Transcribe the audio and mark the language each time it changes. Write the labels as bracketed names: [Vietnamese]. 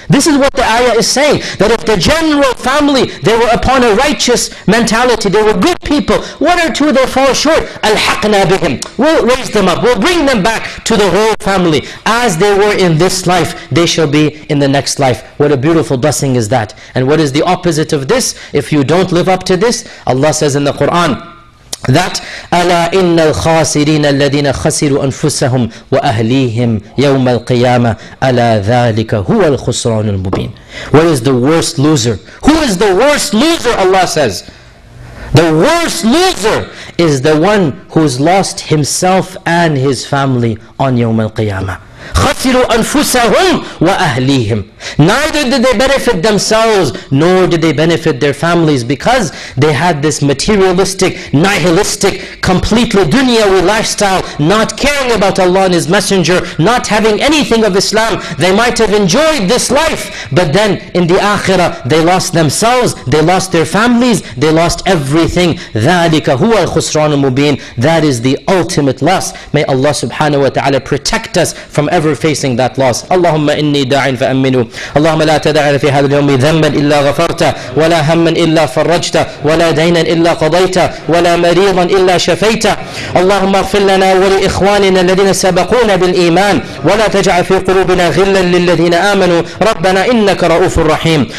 [English] This is what the ayah is saying, that if the general family, they were upon a righteous mentality, they were good people, one or two they fall short, [Arabic] أَلْحَقْنَا بِهِمْ, [English] we'll raise them up, we'll bring them back to the whole family. As they were in this life, they shall be in the next life. What a beautiful blessing is that. And what is the opposite of this? If you don't live up to this, Allah says in the Quran, that [Arabic] أَلَا إِنَّ الْخَاسِرِينَ الَّذِينَ خَسِرُوا أَنفُسَهُمْ وَأَهْلِيهِمْ يَوْمَ الْقِيَامَةِ أَلَا ذَلِكَ هُوَ الْخُسْرَانُ الْمُبِينَ. [English] What is the worst loser? Who is the worst loser, Allah says? The worst loser is the one who's lost himself and his family on [Arabic] يَوْمَ الْقِيَامَةِ. خَسِرُوا أَنفُسَهُمْ وَأَهْلِيهِمْ. [English] Neither did they benefit themselves, nor did they benefit their families, because they had this materialistic, nihilistic, completely dunyawi lifestyle, not caring about Allah and His Messenger, not having anything of Islam. They might have enjoyed this life, but then in the Akhirah, they lost themselves, they lost their families, they lost everything. [Arabic] ذَلِكَ هُوَ الْخُسْرَانُ الْمُبِينَ. [English] That is the ultimate loss. May Allah subhanahu wa ta'ala protect us from ever facing that loss. [Arabic] اللهم إني داعٍ فأمنه. اللهم لا تدع في هذا اليوم ذنبا إلا غفرته ولا هما إلا فرجته ولا دينا إلا قضيته ولا مريضا إلا شفيته. اللهم اغفر لنا ولإخواننا الذين سبقونا بالإيمان ولا تجعل في قلوبنا غلا للذين آمنوا ربنا إنك رؤوف رحيم.